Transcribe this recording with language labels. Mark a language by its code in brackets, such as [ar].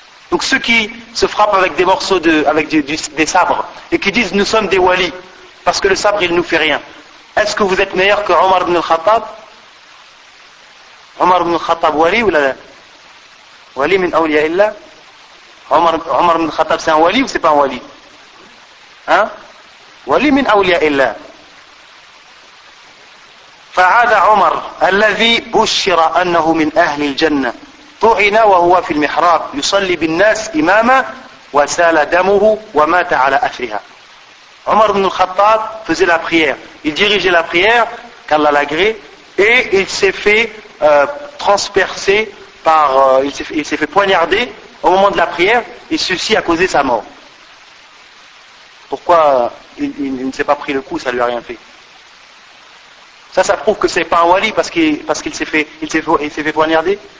[fr] Donc ceux qui se frappent avec des morceaux de avec des sabres et qui disent nous sommes des walis parce que le sabre il nous fait rien, est-ce que vous êtes meilleur que Omar ibn al-Khattab? [ar] Omar ibn al-Khattab wali [fr] ou [ar] la wali min awliya illah? [fr] Omar ibn al-Khattab c'est un wali ou c'est pas un wali? Hein? [ar] ولي من أولياء الله فعاد عمر الذي بشر أنه من أهل الجنة طعن وهو في المحراب يصلي بالناس إماما وسال دمه ومات على أثرها. [fr] عمر بن الخطاب faisait la prière, il dirigeait la prière qu'Allah l'agré et il s'est fait transpercer par il s'est fait poignarder au moment de la prière et ceci a causé sa mort. Pourquoi il ne s'est pas pris le coup, ça lui a rien fait. Ça prouve que c'est pas un wali parce qu'il s'est fait poignarder.